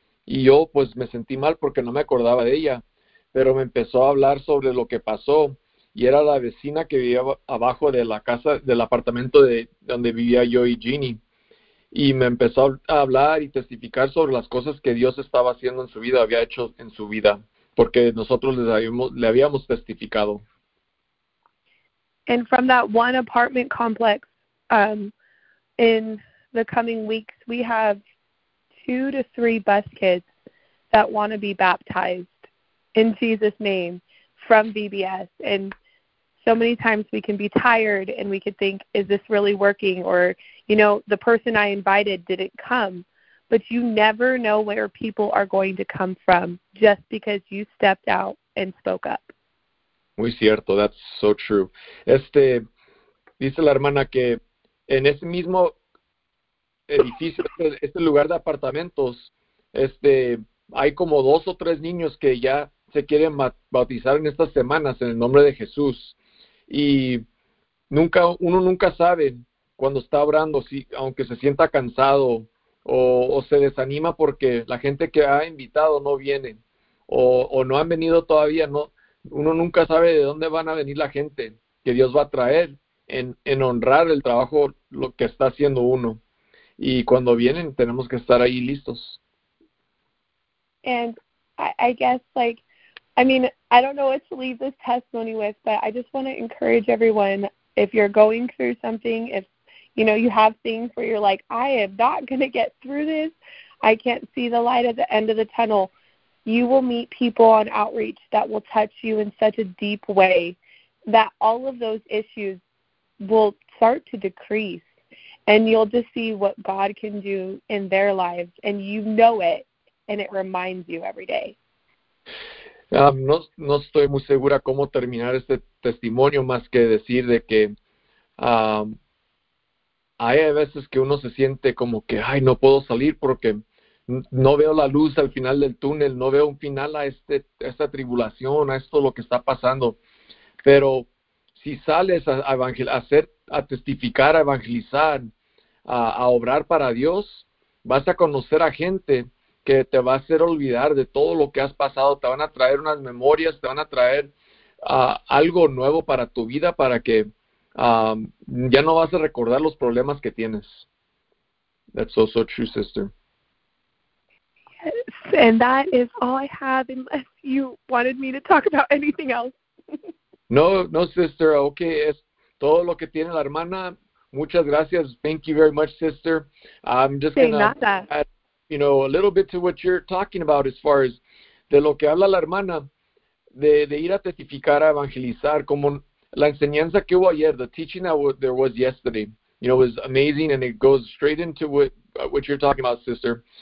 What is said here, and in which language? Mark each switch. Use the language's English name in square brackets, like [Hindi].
[Spanish] Y yo pues me sentí mal porque no me acordaba de ella, pero me empezó a hablar sobre lo que pasó, y era la vecina que vivía abajo de la casa, del apartamento de donde vivía yo y Ginny. Y me empezó a hablar y testificar sobre las cosas que Dios estaba haciendo en su vida, había hecho en su vida, porque nosotros le habíamos testificado. [English] And from that one apartment complex, in the coming weeks, we have 2 to 3 bus kids that want to be baptized in Jesus' name from VBS. And so many times we can be tired and we could think, is this really working? Or, you know, the person I invited didn't come. But you never know where people are going to come from just because you stepped out and spoke up. Muy cierto. That's so true. [Spanish] Dice la hermana que en ese mismo edificio, este lugar de apartamentos, hay como 2 o 3 niños que ya se quieren bautizar en estas semanas en el nombre de Jesús. Y uno nunca sabe cuando está orando, si, aunque se sienta cansado o se desanima porque la gente que ha invitado no viene o no han venido todavía, no, uno nunca sabe de dónde van a venir la gente que Dios va a traer en honrar el trabajo, lo que está haciendo uno. Y cuando vienen, tenemos que estar ahí listos. [English] And I guess, like, I mean, I don't know what to leave this testimony with, but I just want to encourage everyone, if you're going through something, if you have things where you're like, I am not going to get through this, I can't see the light at the end of the tunnel, you will meet people on outreach that will touch you in such a deep way that all of those issues will start to decrease, and you'll just see what God can do in their lives, and you know it. And it reminds you every day. [Spanish] No, no estoy muy segura cómo terminar este testimonio más que decir de que hay veces que uno se siente como que, ay, no puedo salir porque no veo la luz al final del túnel, no veo un final a esta tribulación, a esto lo que está pasando. Pero si sales a testificar, a evangelizar, a obrar para Dios, vas a conocer a gente que te va a hacer olvidar de todo lo que has pasado, te van a traer unas memorias, te van a traer algo nuevo para tu vida, para que ya no vas a recordar los problemas que tienes. [English] That's so, so true, sister. And that is all I have, unless you wanted me to talk about anything else. [Spanish] No, no, sister, okay, es todo lo que tiene la hermana. [English] Muchas gracias. Thank you very much, sister. I'm just Say gonna [Spanish] nada. [English] add a little bit to what you're talking about as far as de lo que habla la hermana, de ir a testificar, a evangelizar, como la enseñanza que hubo ayer, the teaching that w there was yesterday, was amazing, and it goes straight into what you're talking about, sister.